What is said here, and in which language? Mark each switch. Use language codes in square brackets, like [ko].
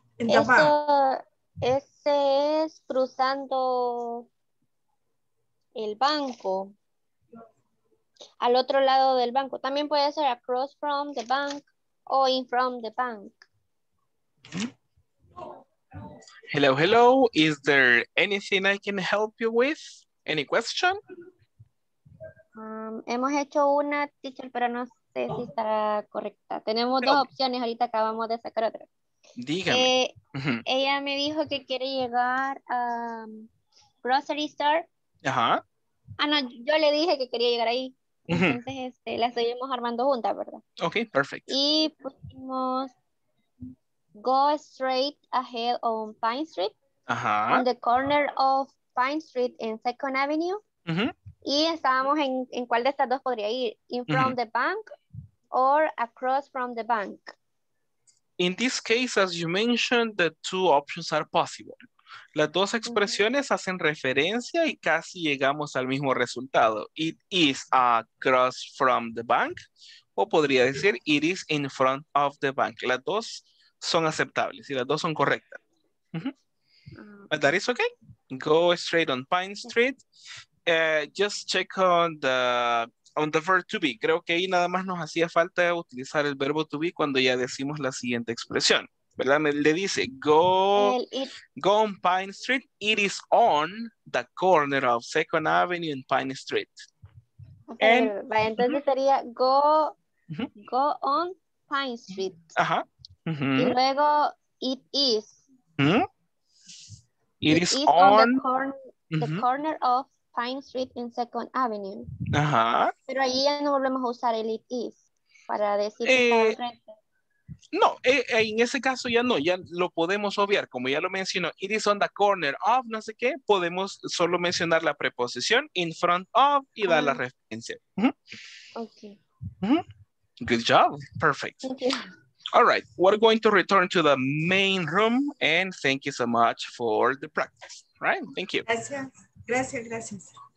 [es] ese es cruzando el banco. Al otro lado del banco. También puede ser [en] across from the bank [es] o [en] in from the bank. Hello, hello. Is there anything I can help you with? Any question? [es] Hemos hecho una, teacher, pero no sé si estará correcta. Tenemos dos opciones. Ahorita acabamos de sacar otra. Dígame. Ella me dijo que quiere llegar a grocery store. Ajá. Ah, no, yo le dije que quería llegar ahí. Entonces, la seguimos armando juntas, ¿verdad? Ok, perfecto. Y pusimos [en] go straight ahead on Pine Street. Ajá. On the corner of Pine Street and Second Avenue. [es] Y estábamos en cuál de estas dos podría ir. [en] In front of the bank or across from the bank. In this case, as you mentioned, the two options are possible. [es] Las dos expresiones hacen referencia y casi llegamos al mismo resultado. [en] It is across from the bank, [es] o podría decir [en] it is in front of the bank. [es] Las dos son aceptables y las dos son correctas. [en] But that is okay. Go straight on Pine Street. Just check on the verb to be. [es] Creo que ahí nada más nos hacía falta utilizar el verbo to be cuando ya decimos la siguiente expresión. ¿Verdad? Le dice, [en] go on Pine Street. It is on the corner of Second Avenue and Pine Street. Okay, [es] entonces sería, [en] go on Pine Street. Ajá. [es] Y luego, [en] it is. It is on the corner of Pine Street and Second Avenue. Ajá. [es] Pero ahí ya no volvemos a usar el it is para decir que está al frente. No, en ese caso ya no, ya lo podemos obviar, como ya lo mencionó, [en] it is on the corner of, [es] no sé qué, podemos solo mencionar la preposición in front of y dar la referencia. [en] Good job, perfect. All right, we're going to return to the main room and thank you so much for the practice, right? Thank you. [es] Gracias.